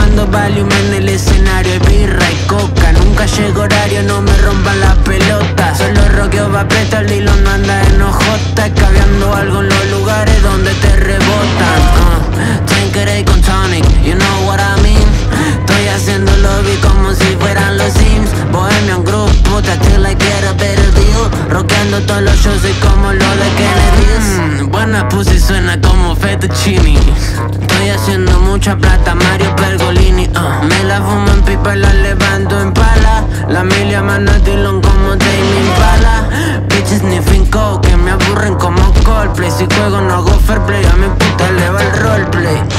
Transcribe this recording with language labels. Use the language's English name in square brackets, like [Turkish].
[Spanish] Valium en el escenario, es birra y coca. Nunca llego horario, no me rompan la pelota. Solo roqueo va presto, el hilo no anda en OJ. Cabeando algo en los lugares donde te rebotan. Tanker ahí con Tonic, [English] you know what I mean. [Spanish] Estoy haciendo lobby como si fueran los Sims. [English] Bohemian Group, puta, still I get a better deal. [Spanish] Roqueando todos los shows, soy como lo de Kennedy. Buena pussy, suena como Fettuccini. Estoy haciendo mucha plata, Mario Pergolini. Me la fumo en pipa y la levanto en pala. La milia mano a Dillon como Tame Impala. [English] Bitches sniffing coke, [Spanish] que me aburren como Coldplay. Si juego no hago fair play, a mi puta le va el roleplay.